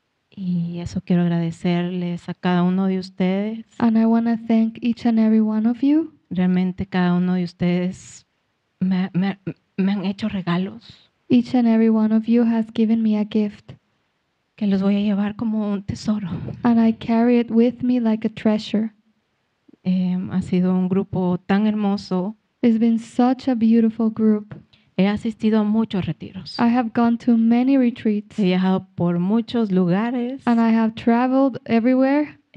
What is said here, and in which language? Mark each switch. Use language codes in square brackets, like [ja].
[es] Y eso quiero agradecerles a cada uno de ustedes. [en] And I want to thank each and every one of you. [es] Realmente cada uno de ustedes me han hecho regalos. [en] Each and every one of you has given me a gift. [es] Que los voy a llevar como un tesoro. [en] And I carry it with me like a treasure. [es] Ha sido un grupo tan hermoso. [en] It's been such a beautiful group. [es] He asistido a muchos retiros. [en] I have gone to many retreats. [es] He viajado por muchos lugares. [en] And I have traveled everywhere.